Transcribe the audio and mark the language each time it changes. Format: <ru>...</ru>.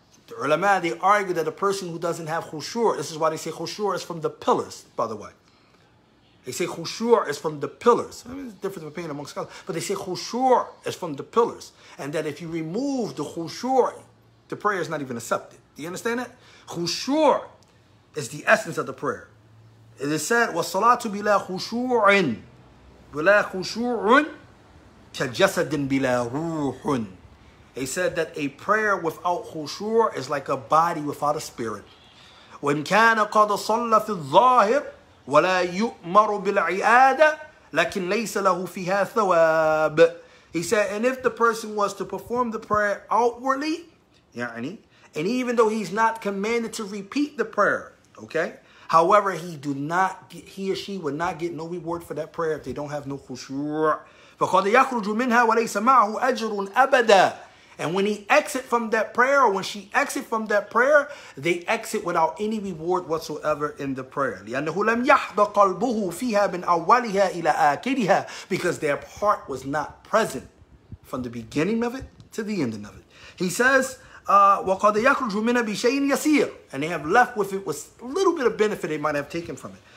<en>The ulama, they argue that a person who doesn't have khushur, this is why they say khushur is from the pillars, by the way. They say khushur is from the pillars. I mean, it's a difference of opinion among scholars. But they say khushur is from the pillars. And that if you remove the khushur, the prayer is not even accepted. Do you understand that? Khushur is the essence of the prayer. It is said,</en> <ar>وَالصَّلَاةُ بِلَا خُشُوعٍ بِلَا خُشُوعٍ كَجَسَدٍ بِلَا رُوحٍ.</ar> <en>He said that a prayer without khushur is like a body without a spirit.</en> <ar>وَإِنْ كَانَ قَدْ صَلَّ فِي الظَّاهِرِ وَلَا يُؤْمَرُ بِالْعِيَادَةِ لَكِنْ لَيْسَ لَهُ فِيهَا ثَوَابٍ.</ar> <en>He said, and if the person was to perform the prayer outwardly, يعني, and even though he's not commanded to repeat the prayer, okay, however, he or she would not get no reward for that prayer if they don't have no khushur.</en> <ar>فَقَدْ يَخْرُجُ مِنْهَا وَلَيْسَ مَعْهُ أَجْرٌ أَبَدًا.</ar> <en>And when he exit from that prayer, or when she exit from that prayer, they exit without any reward whatsoever in the prayer.</en> <ar>لِأَنَّهُ لَمْ يَحْضَ قَلْبُهُ فِيهَا مِنْ أَوَّلِهَا إِلَىٰ آكِرِهَا.</ar> <en>Because their heart was not present from the beginning of it to the ending of it. He says,</en> <ar>وَقَدْ يَخْرُجُ مِنَا بِشَيْءٍ يَسِيرٍ.</ar> <en>And they have left with it with a little bit of benefit they might have taken from it.</en>